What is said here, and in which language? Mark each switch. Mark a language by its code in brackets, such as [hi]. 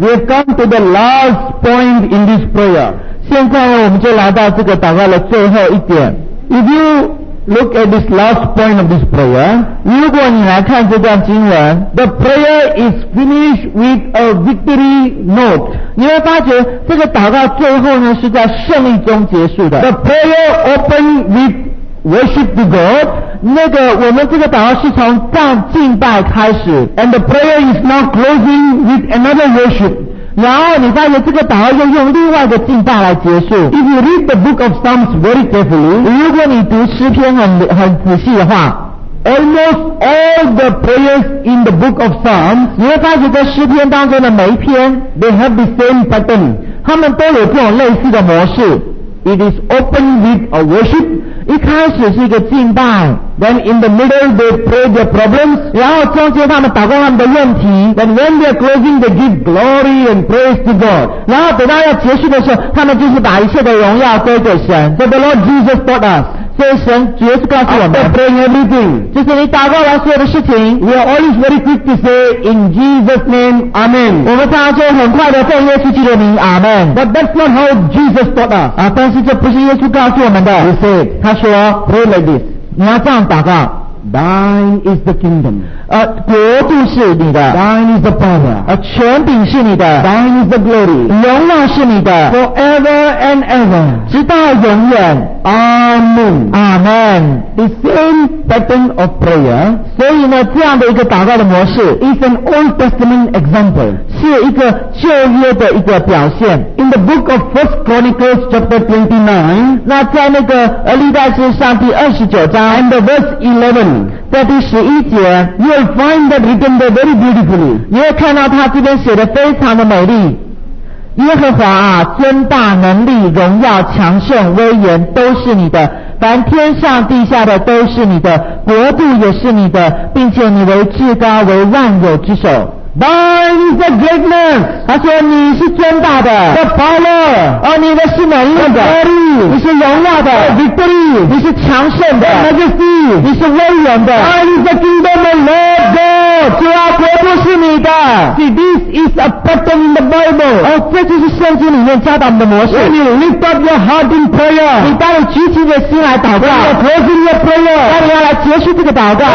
[en] We have come to the last point in this prayer. [zh] 现在我们就来到这个祷告的最后一点。 [en] If you look at this last point of this prayer, [zh] 如果你来看这段经文, [en] the prayer is finished with a victory note. [zh] 你会发觉这个祷告最后呢, 是在胜利中结束的。 [en] The prayer opened with worship to God. [zh] 那个我们这个祷告是从敬拜开始, [en] and the prayer is now closing with another worship. [zh] 然后你发现这个祷告又用另外一个敬拜来结束。 [en] If you read the book of Psalms very carefully, [zh] 如果你读诗篇很仔细的话, [en] almost all the prayers in the book of Psalms, [zh] 你会发觉在诗篇当中的每一篇, [en] they have the same pattern. [zh] 他们都有这种类似的模式。 [en] It is open with a worship. [zh] 一开始是一个敬拜, [en] then in the middle they pray their problems, [zh] 然后中间他们祷告他们的问题, [en] then when they are closing they give glory and praise to God, [zh] 然后等到要结束的时候, 他们就是把一切的荣耀归给神。 [en] But the Lord Jesus taught us, [zh] 所以神耶稣告诉我们, [en] after praying everything, [zh] 就是你祷告完所有的事情, [en] we are always very quick to say in Jesus' name, Amen. [zh] 我们大家就很快地奉耶稣基督的名, Amen. [en] But that's not how Jesus taught us. [zh] 但是这不是耶稣告诉我们的。 [en] He said, [zh] 他说, [en] pray like this, [zh] 你要这样祷告, [en] Thine is the kingdom, [zh] 国度是你的, [en] Thine is the power, [zh] 权柄是你的, [en] Thine is the glory, [zh] 荣耀是你的, [en] forever and ever, [zh] 直到永远, [en] Amen. Amen. The same pattern of prayer, [zh] 所以呢, 这样的一个祷告的模式, [en] is an Old Testament example, [zh] 是一个旧约的一个表现。 [en] In the book of 1 Chronicles chapter 29, [zh] 那在那个历代志上第29章, [en] and the verse 11, [zh] 在第十一节, [en] you will find that written there very beautifully. [zh] 你会看到它这边写得非常的美丽。耶和华啊, 尊大能力, 荣耀强盛, 威严, 都是你的, 凡天上地下的都是你的, 国度也是你的, 并且你为至高, 为万有之首。 [en] Thine is the greatness. [zh] 他说你是尊大的, [en] the power. [zh] 你的是能力的, [en] the glory. [zh] 你是荣耀的, [en] the victory. [zh] 你是强盛的, [en] the majesty. [zh] 你是威严的, [en] Thine is the kingdom of Lord God. [zh] 主啊国不是你的。 [en] See, this is a pattern in the Bible. [zh] 这就是圣经里面教导我们的模式。 [en] When you lift up your heart in prayer, [zh] 你当你举起你的心来祷告, [en] when you close your prayer, [zh] 当你要来结束这个祷告,